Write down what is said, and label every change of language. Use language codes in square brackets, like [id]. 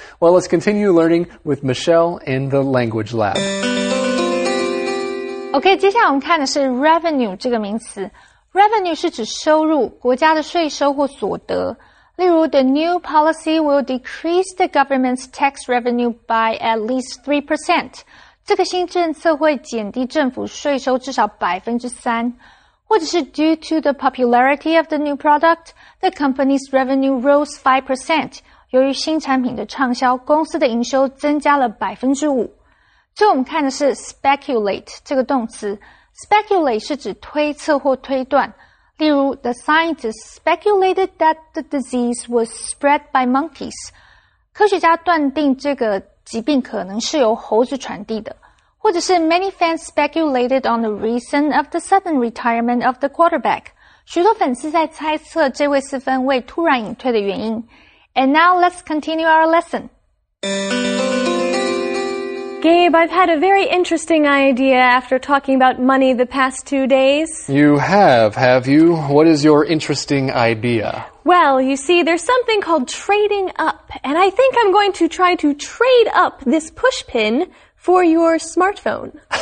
[en] Well, let's continue learning with Michelle in the language lab. [zh] OK, 接下来我们看的是 revenue 这个名词。Revenue 是指收入，国家的税收或所得。例如 [en] ,the new policy will decrease the government's tax revenue by at least 3%. [zh] 这个新政策会减低政府税收至少 3%。或者是 [en] due to the popularity of the new product, the company's revenue rose 5%. [zh] 由于新产品的畅销，公司的营收增加了 5%。最后我们看的是 speculate 这个动词。Speculate 是指推测或推断。例如 [en] ,the scientists speculated that the disease was spread by monkeys. [zh] 科学家断定这个疾病可能是由猴子传递的。或者是 [en] many fans speculated on the reason of the sudden retirement of the quarterback. [zh] 许多粉丝在猜测这位四分卫突然隐退的原因。 [en] And now let's continue our lesson. Gabe, I've had a very interesting idea after talking about money the past 2 days. You have you? What is your interesting idea? Well, you see, there's something called trading up, and I think I'm going to try to trade up this pushpin for your smartphone.